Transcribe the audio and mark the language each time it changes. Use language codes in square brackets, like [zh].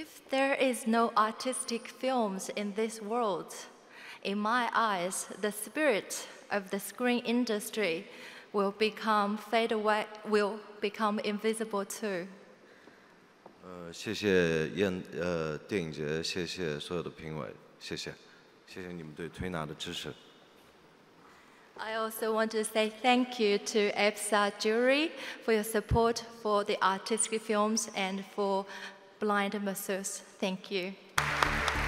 [en] there is no artistic films in this world, in my eyes, the spirit of the screen industry will become fade away, will become invisible too. [zh] 谢谢电影节，谢谢所有的评委，谢谢你们对推拿的支持。I [en] also want to say thank you to EPSA jury for your support for the artistic films and for Blind Masseuse. Thank you.